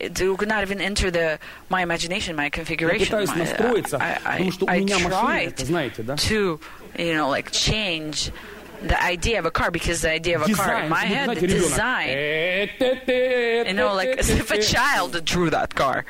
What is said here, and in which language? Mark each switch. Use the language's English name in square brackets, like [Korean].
[English] That it could not even enter the my imagination, my configuration. [Russian] Я пытаюсь настроиться, потому что у меня машина, это, знаете, да? [English] To, you know, like change the idea of a car because the idea of a car in my head, the design. You know, like as if a child drew that car.